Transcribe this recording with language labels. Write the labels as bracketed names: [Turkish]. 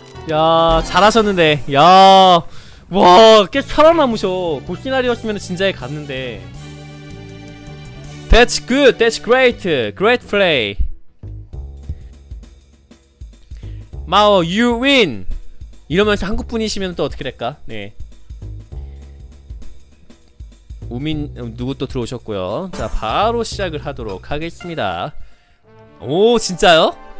[Korean] 야, 잘하셨는데. 야, 와, 꽤 살아남으셔. 고시나리였으면 진작에 갔는데. [English] That's good, that's great, great play. 마오, you win. [Korean] 이러면서 한국분이시면 또 어떻게 될까? 네. 우민, 누구 또 들어오셨고요. 자, 바로 시작을 하도록 하겠습니다. 오, 진짜요?